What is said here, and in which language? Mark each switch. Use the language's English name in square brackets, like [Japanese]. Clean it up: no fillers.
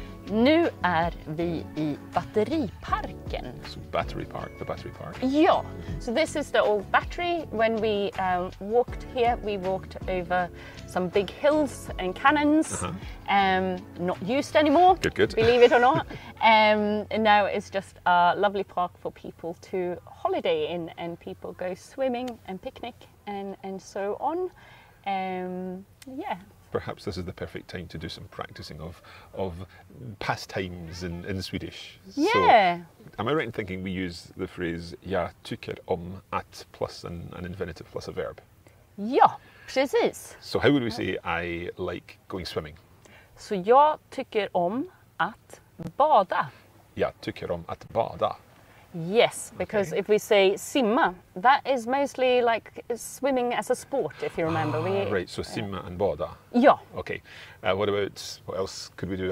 [Swedish] Nu är vi i batteriparken. [English] So battery park, the battery park. Ja, so this is the old battery. When we walked here, we walked over some big hills and cannons. Uh-huh. Not used anymore. Good, good. Believe it or not. And now it's just a lovely park for people to holiday in, and people go swimming and picnic and so on. Yeah. Perhaps this is the perfect time to do some practicing of pastimes in Swedish. Yeah. So, am I right in thinking we use the phrase [Swedish] jag tycker om att [English] plus an infinitive plus a verb? [Swedish] Ja, precis. [English] So how would we say I like going swimming? [Swedish] So jag tycker om att bada. Jag tycker om att bada. [English] Yes, because okay. if we say simma, that is mostly like swimming as a sport, if you remember. Right, so simma and bada. [Swedish] Ja. [English] Okay, what about, what else could we do?